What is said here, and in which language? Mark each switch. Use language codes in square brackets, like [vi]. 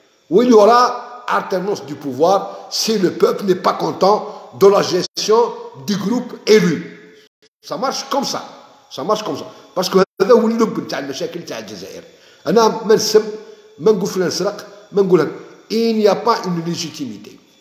[fr] Où il y aura alternance du pouvoir si le peuple n'est pas content de la gestion du groupe élu. Ça marche comme ça. Ça marche comme ça. [ar] Parce que هذا هو اللب نتاع المشاكل نتاع الجزائر. أنا ما نسب، ما نقول فلان نسرق، ما نقول هكا. [fr] Il n'y a pas une légitimité.